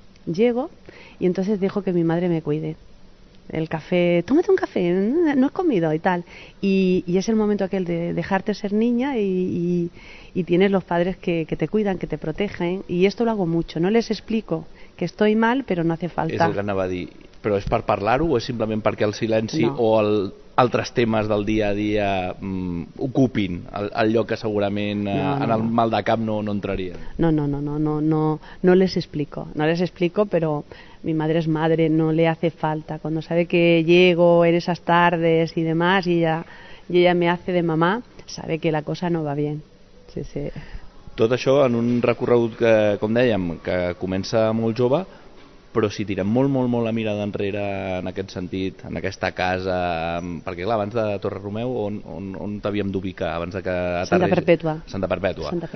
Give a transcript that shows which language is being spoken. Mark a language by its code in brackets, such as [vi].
[es] Llego y entonces dejo que mi madre me cuide. El café, tómate un café, no has comido y tal. Y es el momento aquel de dejarte ser niña y tienes los padres que te cuidan, que te protegen. Y esto lo hago mucho. No les explico que estoy mal, pero no hace falta. [ca] Es el que anava a dir. Però és per parlar-ho o és simplement perquè el silenci no. O altres temes del dia a dia ocupin el lloc que segurament en el mal de cap no entraria? [es] No les explico, no les explico, però mi madre es madre, no le hace falta. Cuando sabe que llego en esas tardes y demás y ella me hace de mamá, sabe que la cosa no va bien. Sí, sí. [ca] Tot això en un recorregut que, com dèiem, que comença molt jove, però si tirem molt, molt, molt la mirada enrere en aquest sentit, en aquesta casa, perquè clar, abans de Torre Romeu, on t'havíem d'ubicar abans de que aterris? Santa Perpètua.